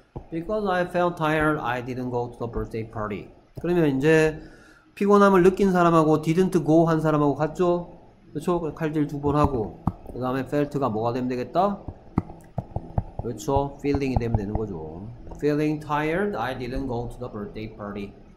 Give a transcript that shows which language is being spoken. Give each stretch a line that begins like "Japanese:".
English: Because I felt tired, I didn't go to the birthday party.
Korean: 그러면 이제 피곤함을 느낀 사람하고
English: didn't go
Korean: 한 사람하고 갔죠? 그렇죠? 칼질 두 번 하고 그 다음에 felt가 뭐가 되면 되겠다? 그렇죠? Feeling이 되면 되는 거죠.
English: Feeling tired, I didn't go to the birthday party.